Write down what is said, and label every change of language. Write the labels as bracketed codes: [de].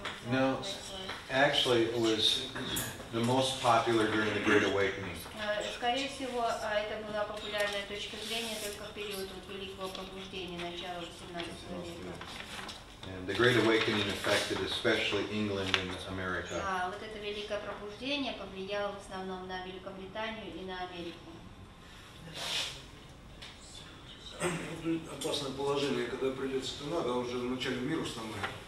[en] No, actually, it was the most popular during the Great Awakening. [ru] Скорее всего, это была популярная точка зрения только в период Великого Пробуждения, начало 17 века. [en] And the Great Awakening affected especially England and America. [ru] Вот это Великое Пробуждение повлияло в основном на Великобританию и на Америку. Опасное положение, когда придет сатана, да, уже в начале мира установлено.